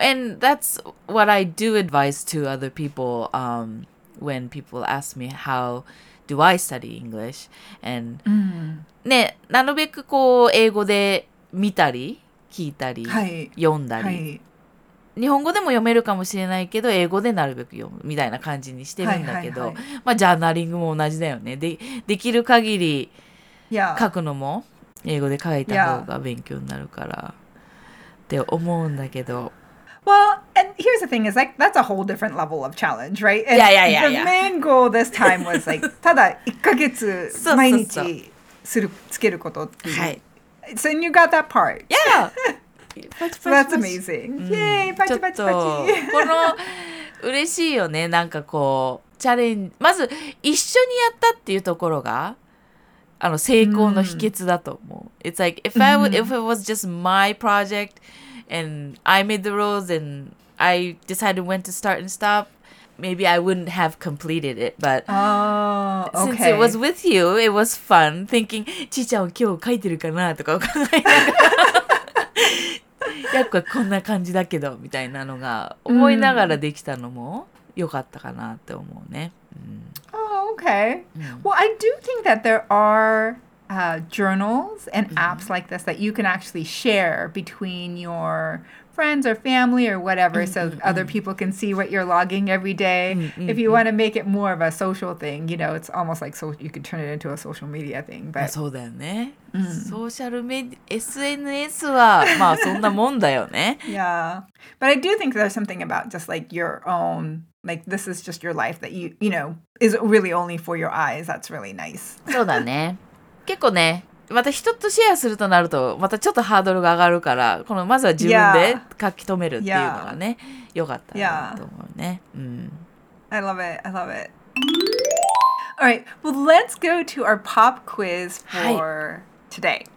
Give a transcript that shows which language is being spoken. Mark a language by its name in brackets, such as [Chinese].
[English] And that's what I do advise to other people, when people ask me how... Do I study English? [Japanese] And,、ね、なるべくこう英語で見たり聞いたり、はい、読んだり、はい、日本語でも読めるかもしれないけど英語でなるべく読むみたいな感じにしてるんだけど、はいはいはい、まあジャーナリングも同じだよね。できる限り書くのも英語で書いた方が勉強になるからって思うんだけど。 [English] Well, and here's the thing is like, that's a whole different level of challenge, right? And yeah. The main goal this time was like, [Japanese] ただ1ヶ月毎日するつけることっていう。はい。 [English] So you got that part. Yeah. So that's amazing. Yay, [Japanese] パチパチパチ。この、嬉しいよね。なんかこう、チャレンジ、まず一緒にやったっていうところが、成功の秘訣だと思う。 [English] It's like, if it was just my project,And I made the rules and I decided when to start and stop. Maybe I wouldn't have completed it. But since it was with you, it was fun thinking, Chi-chan, [Japanese] 今日書いてるかなとか考えながら。やっぱこんな感じだけど、みたいなのが思いながらできたのも良かったかなって思うね。 [English] Okay. Well, I do think that there are... journals and apps like this that you can actually share between your friends or family or whatever so other people can see what you're logging every day. If you want to make it more of a social thing, you know, it's almost like so you could turn it into a social media thing. But... [Japanese] そうだよね。Social media, SNS はまあそんなもんだよね。 [English] Yeah. But I do think there's something about just like your own, like this is just your life that you know, is really only for your eyes. That's really nice. [Japanese] そうだね。結構ね、また人とシェアするとなるとまたちょっとハードルが上がるから、このまずは自分で書き留めるっていうのがね、yeah. よかったなと思うね、 [English] yeah. I love it, I love it. All right, well let's go to our pop quiz for today.